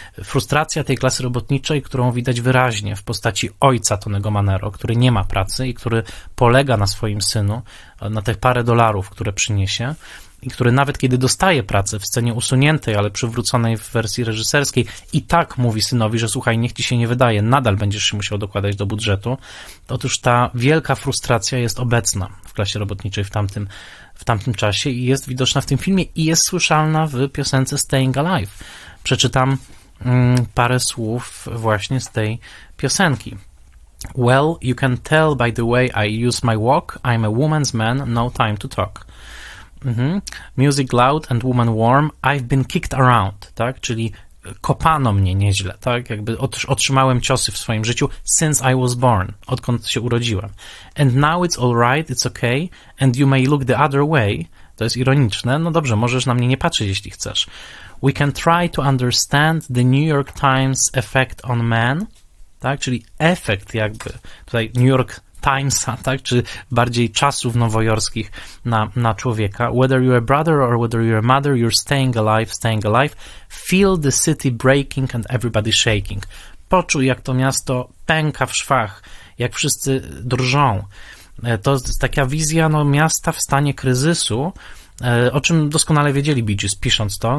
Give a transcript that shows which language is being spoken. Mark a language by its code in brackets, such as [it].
[pl] Frustracja tej klasy robotniczej, którą widać wyraźnie w postaci ojca Tonego Manero, który nie ma pracy i który polega na swoim synu, na te parę dolarów, które przyniesie i który nawet kiedy dostaje pracę w scenie usuniętej, ale przywróconej w wersji reżyserskiej i tak mówi synowi, że słuchaj, niech ci się nie wydaje, nadal będziesz się musiał dokładać do budżetu. Otóż ta wielka frustracja jest obecna w klasie robotniczej w tamtym czasie i jest widoczna w tym filmie i jest słyszalna w piosence Staying Alive. Przeczytam parę słów właśnie z tej piosenki. [en] Well, you can tell by the way I use my walk, I'm a woman's man, no time to talk. Music loud and woman warm, I've been kicked around, [pl] tak? Czyli kopano mnie nieźle, tak? Jakby otrzymałem ciosy w swoim życiu [en] since I was born, [pl] odkąd się urodziłem. [en] And now it's all right, it's okay, and you may look the other way. [pl] To jest ironiczne. No dobrze, możesz na mnie nie patrzeć, jeśli chcesz. [en] We can try to understand the New York Times effect on man, [pl] tak? Czyli efekt jakby tutaj New York Timesa, tak? Czy bardziej czasów nowojorskich na człowieka. [en] Whether you're a brother or whether you're a mother, you're staying alive, staying alive. Feel the city breaking and everybody shaking. [pl] Poczuj, jak to miasto pęka w szwach, jak wszyscy drżą. To jest taka wizja miasta w stanie kryzysu, o czym doskonale wiedzieli Bee Gees, pisząc to.